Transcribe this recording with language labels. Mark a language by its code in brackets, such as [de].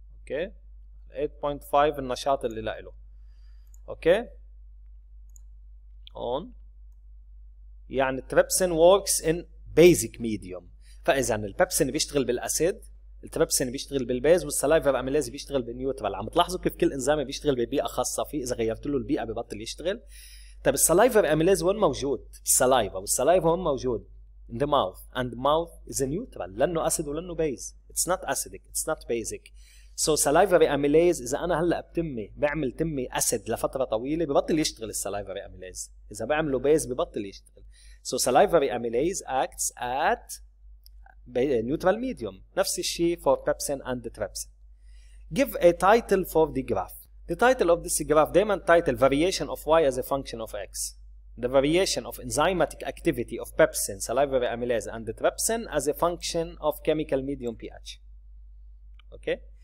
[ar] اوكي 8.5 النشاط اللي له. اوكي اون يعني تريبسين وركس ان بيزك ميديوم. فاذا البيبسين بيشتغل بالاسيد، التريبسين بيشتغل بالبيز، والسلايفر اميلاز بيشتغل بالنيوترال. عم تلاحظوا كيف كل انزيم بيشتغل ببيئه خاصه فيه، اذا غيرت له البيئه ببطل يشتغل. طيب السلايفر اميليز وين موجود؟ السلايفا. والسلايفا وين موجود؟ [en] in the mouth. and mouth is a neutral، لانه acid ولانه base. it's not acidic it's not basic. so salivary amylase، [ar] اذا انا هلا بتمي بعمل تمي acid لفتره طويله ببطل يشتغل السلايفري اميليز، اذا بعمله base ببطل يشتغل. [en] so salivary amylase acts at neutral medium. [ar] نفس الشيء [en] for pepsin and trypsin. give a title for the graph. The title of this graph, Diamond title, variation of y as a function of x. The variation of enzymatic activity of pepsin, salivary amylase, and the trypsin as a function of chemical medium pH. Okay?